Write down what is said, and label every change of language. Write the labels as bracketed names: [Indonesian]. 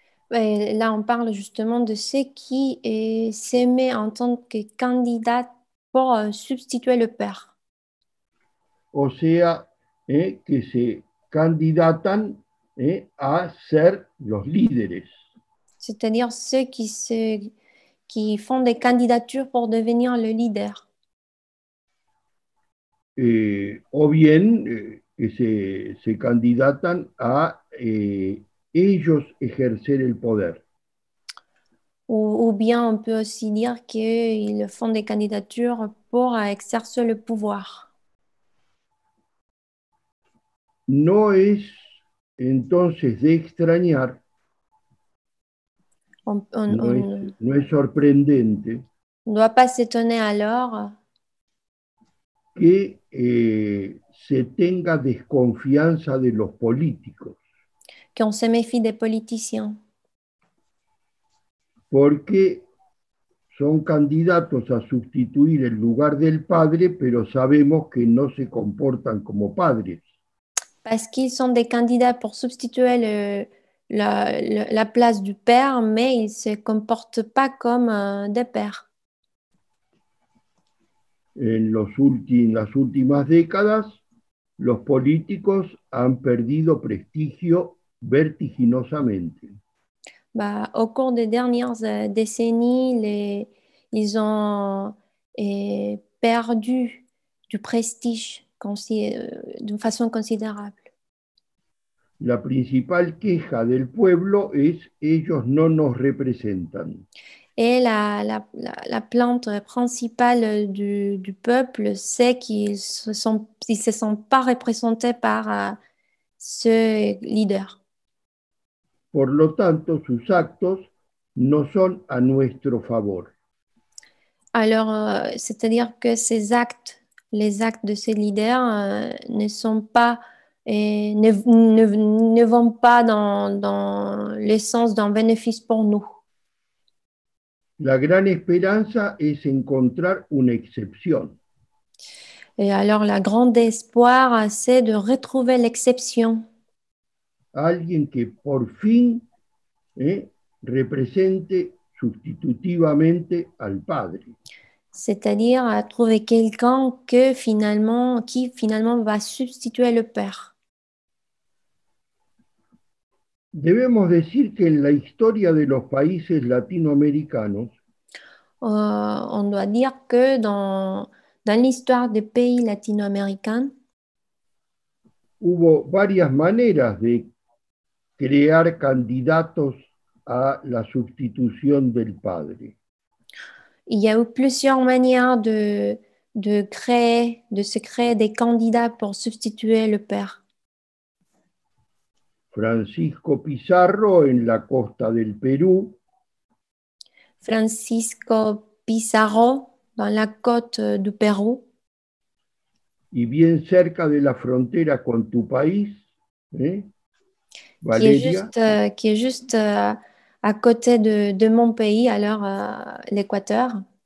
[French] Et là, on parle justement de ceux qui s'aimaient en tant que candidat pour substituer le père. [Spanish] O sea, que se candidatan a ser los líderes. [French] C'est-à-dire ceux qui font des candidatures pour devenir le leader. [Spanish] O bien que se candidatan a ellos ejercer el poder. [French] Ou bien on peut aussi dire qu'ils font des candidatures pour exercer le pouvoir. [Spanish] No es entonces de extrañar, no es sorprendente, [French] on ne doit pas s'étonner alors [Spanish] que se tenga desconfianza de los políticos. [French] Qu'on se méfie des politiciens. [Spanish] Porque son candidatos a sustituir el lugar del padre, pero sabemos que no se comportan como padres. [French] Parce qu'ils sont des candidats pour substituer la place du père, mais ils ne se comportent pas comme des pères. [Spanish] En las últimas décadas, los políticos han perdido prestigio vertiginosamente. [French] Au cours des dernières décennies, ils ont perdu du prestige d'une façon considérable. [Spanish] La principal queja del pueblo es ellos no nos representan. [French] Et la plainte principale du peuple, c'est qu'ils se sentent pas représentés par ce leader. [Spanish] Por lo tanto, sus actos no son a nuestro favor. [French] Alors, c'est-à-dire que ses actes, les actes de ces leaders ne sont pas ne vont pas dans le sens d'un bénéfice pour nous. [Spanish] La gran esperanza es encontrar una excepción. [French] Et alors, la grande espoir, c'est de retrouver l'exception. [Spanish] Alguien que por fin represente sustitutivamente al padre. [French] C'est-à-dire à trouver quelqu'un que finalement, qui finalement va substituer le père. [Spanish] Debemos decir que en la historia de los países latinoamericanos, [French] on doit dire que dans l'histoire des pays latino-américains, [Spanish] hubo varias maneras de crear candidatos a la sustitución del padre. [French] Il y a eu plusieurs manières de se créer des candidats pour substituer le père. [Spanish] Francisco Pizarro en la costa del Perú. [French] Francisco Pizarro dans la côte du Pérou. [Spanish] Y bien cerca de la frontera con tu país, Valeria. [French] Qui est juste à côté de mon pays, alors l'Équateur.